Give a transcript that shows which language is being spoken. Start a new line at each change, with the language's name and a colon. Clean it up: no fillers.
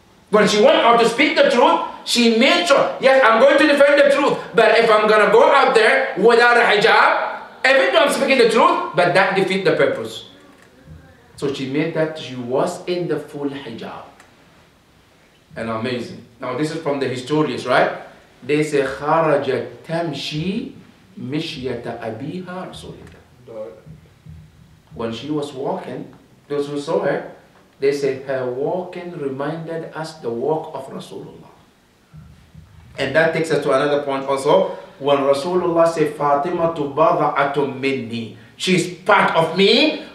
English: When she went out to speak the truth, she made sure, yes, I'm going to defend the truth, but if I'm going to go out there without a hijab, even though I'm speaking the truth, but that defeats the purpose. So she made that she was in the full hijab. And amazing. Now this is from the historians, right? They say,
Arabic: خرجت تمشي مشية أبيها رسول الله.
English: When she was walking, those who saw her, they said her walking reminded us the walk of Rasulullah. And that takes us to another point also. When Rasulullah said,
Arabic: Fatima tu bada'atu minni,
English: she's part of me.